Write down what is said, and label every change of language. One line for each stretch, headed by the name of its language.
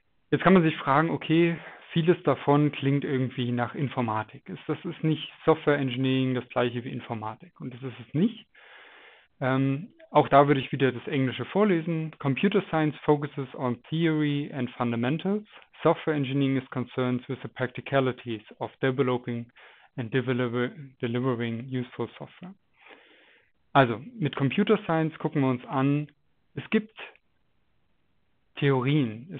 German: Jetzt kann man sich fragen, okay, vieles davon klingt irgendwie nach Informatik. Das ist nicht Software Engineering das gleiche wie Informatik. Und das ist es nicht. Auch da würde ich wieder das Englische vorlesen.
English: Computer Science focuses on theory and fundamentals. Software Engineering is concerned with the practicalities of developing and delivering useful software.
German: Also, mit Computer Science gucken wir uns an, es gibt Theorien.